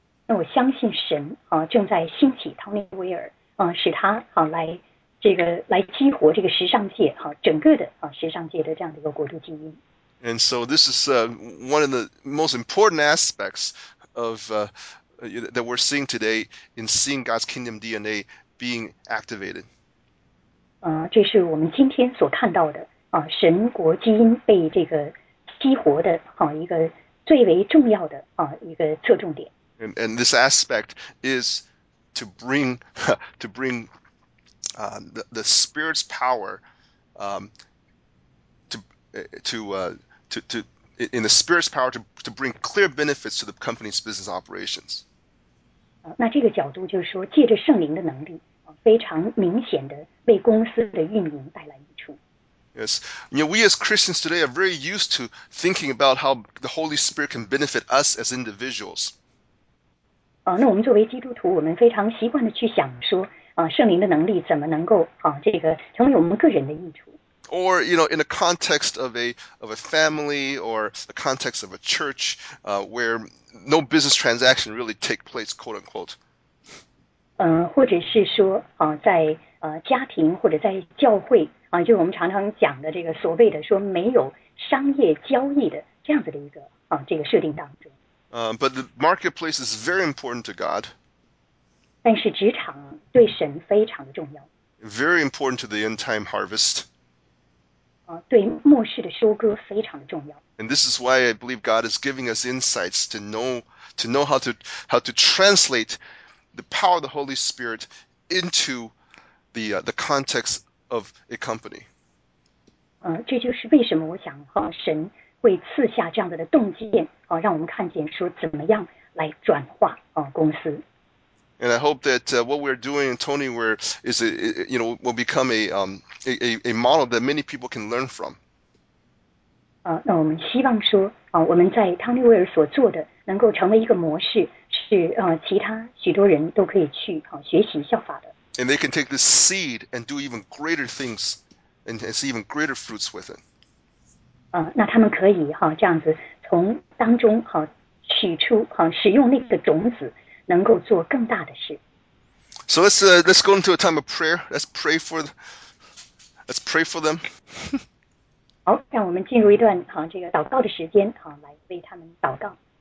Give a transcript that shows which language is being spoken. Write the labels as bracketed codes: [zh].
[zh] 那我相信神啊正在兴起汤尼威尔啊，使他啊来这个来激活这个时尚界啊整个的啊时尚界的这样的一个国度精英。 [en] And so this is one of the most important aspects of that we're seeing today in seeing God's kingdom DNA being activated. [zh] 这是我们今天所看到的啊，神国基因被这个激活的啊一个最为重要的啊一个侧重点。 [en] And this aspect is to bring the Spirit's power to in the Spirit's power to bring clear benefits to the company's business operations. [zh] 那这个角度就是说，借着圣灵的能力，非常明显的为公司的运营带来益处。 [en] Yes, you know, we as Christians today are very used to thinking about how the Holy Spirit can benefit us as individuals. [zh] 那我们作为基督徒，我们非常习惯的去想说，圣灵的能力怎么能够这个成为我们个人的益处。 [en] Or, you know, in a context of a family or a context of a church where no business transaction really take place, quote unquote. [zh] 或者是说在家庭或者在教会就我们常常讲的这个所谓的说没有商业交易的这样子的一个这个设定当中。 [en] But the marketplace is very important to God. [zh] 但是职场对神非常的重要。 [en] Very important to the end time harvest. [zh] 对末世的收割非常的重要。 [en] And this is why I believe God is giving us insights to know how to translate the power of the Holy Spirit into the context of a company. [zh] 这就是为什么我想神会赐下这样的洞见让我们看见说怎么样来转化公司。 [en] And I hope that what we're doing, Tony, will become a model that many people can learn from. [zh] 那我们希望说我们在汤尼威尔所做的能够成为一个模式，是其他许多人都可以去学习效法的。 [en] And they can take this seed and do even greater things and see even greater fruits with it. [zh] 那他们可以这样子从当中取出使用那个种子。能够做更大的事。 [en] So let's go into a time of prayer. Let's pray for them. [zh] 好，让我们进入一段这个祷告的时间来为他们祷告。